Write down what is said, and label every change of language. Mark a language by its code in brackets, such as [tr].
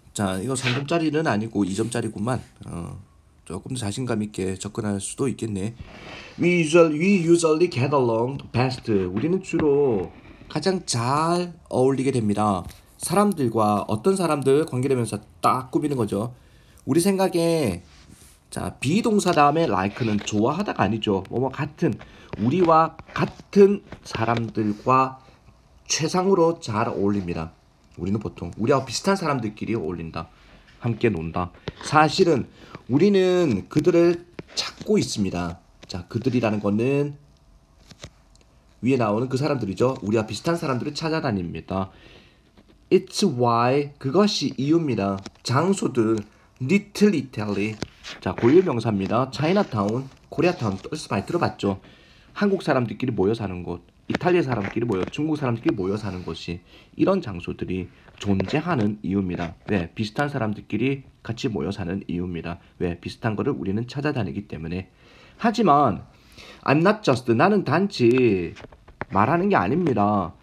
[ko] 자, 이거 3점짜리는 아니고 2점짜리구만. 조금 더 자신감 있게 접근할 수도 있겠네. [en] We usually get along the best. [ko] 우리는 주로 가장 잘 어울리게 됩니다. 사람들과 어떤 사람들 관계되면서 딱 꾸미는 거죠. 우리 생각에 자, 비동사 다음에 like는 좋아하다가 아니죠. 뭐뭐 같은 우리와 같은 사람들과 최상으로 잘 어울립니다. 우리는 보통 우리와 비슷한 사람들끼리 어울린다. 함께 논다. 사실은 우리는 그들을 찾고 있습니다. 자, 그들이라는 거는 위에 나오는 그 사람들이죠. 우리와 비슷한 사람들을 찾아다닙니다. [en] It's why, [ko] 그것이 이유입니다. 장소들, Little Italy. 자, 고유 명사입니다. 차이나타운, 코리아타운, 어디서 많이 들어봤죠? 한국 사람들끼리 모여 사는 곳, 이탈리아 사람끼리 모여, 중국 사람들끼리 모여 사는 곳이 이런 장소들이 존재하는 이유입니다. 왜? 비슷한 사람들끼리 같이 모여 사는 이유입니다. 왜? 비슷한 거를 우리는 찾아다니기 때문에. 하지만 [en] I'm not just [ko] 나는 단지 말하는 게 아닙니다.